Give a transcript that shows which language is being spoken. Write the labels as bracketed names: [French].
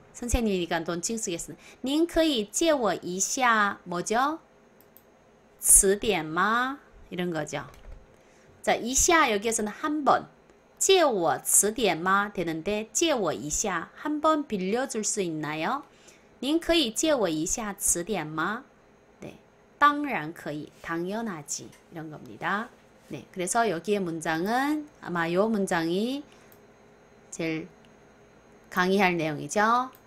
[Korean] 선생님이니까 돈칭 쓰겠습니다. [Chinese] 您 可以 借我一下 [Korean] 뭐죠? [Chinese] 词典吗? [Korean] 이런 거죠. 자, 一下 여기에서는 한 번. [Chinese] 借我词典吗? [Korean] 되는데 [Chinese] 借我一下 [Korean] 한번 빌려줄 수 있나요? [Chinese] 您 可以 借我一下词典吗? [Korean] 네, [Chinese] 当然可以. [Korean] 당연하지. 이런 겁니다. 네, 그래서 여기에 문장은 아마 이 문장이 제일 강의할 내용이죠.